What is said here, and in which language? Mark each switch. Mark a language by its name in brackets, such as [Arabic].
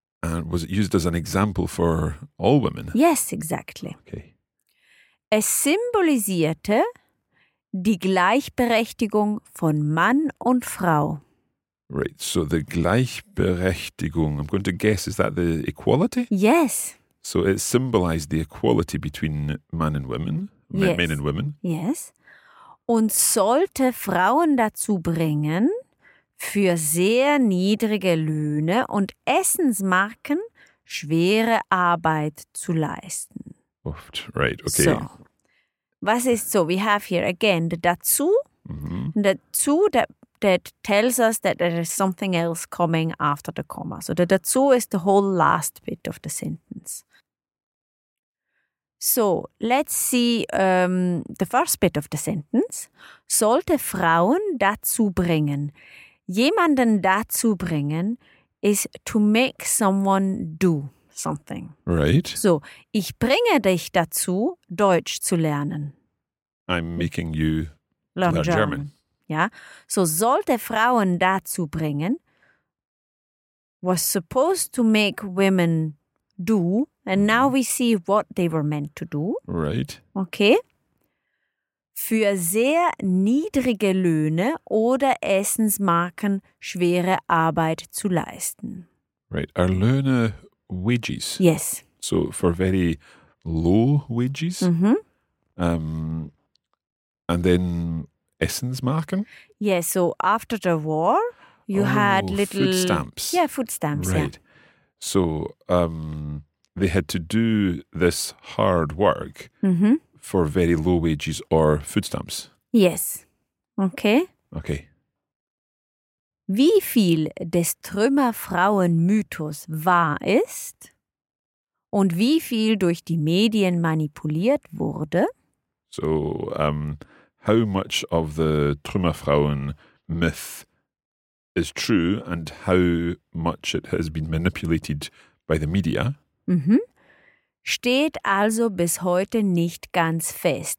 [English] And was it used as an example for all women? Yes, exactly. Okay. [German] Es symbolisierte die Gleichberechtigung von Mann und Frau. [English] Right, so the Gleichberechtigung, I'm going to guess, is that the equality? Yes. So it symbolized the equality between man and women, yes. men and women. Yes. [German] Und sollte Frauen dazu bringen, für sehr niedrige Löhne und Essensmarken schwere Arbeit zu leisten. [English] Oft. Right, okay. So, [German] was ist so? [English] We have here again the dazu. Mm-hmm. Dazu, that tells us that there is something else coming after the comma. So the dazu is the whole last bit of the sentence. So let's see the first bit of the sentence. [German] Sollte Frauen dazu bringen. Jemanden dazu bringen [English] is to make someone do something. Right. [German] So, ich bringe dich dazu, Deutsch zu lernen. [English] I'm making you learn German. [German] Ja, so sollte Frauen dazu bringen, [English] was supposed to make women do, and now we see what they were meant to do. Right. Okay. [German] Für sehr niedrige Löhne oder Essensmarken schwere Arbeit zu leisten. [English] Right. Are Löhne wages? Yes. So for very low wages? Mm-hmm. And then Essensmarken? Yes, so after the war, you had little... food stamps. Yeah, food stamps, right. Yeah. So they had to do this hard work mm-hmm. for very low wages or food stamps. Yes. Okay. Okay. [German] Wie viel des Trümmerfrauen-Mythos wahr ist und wie viel durch die Medien manipuliert wurde? [English] So, how much of the Trümmerfrauen myth is true and how much it has been manipulated by the media? [German] Mm-hmm. Steht also bis heute nicht ganz fest.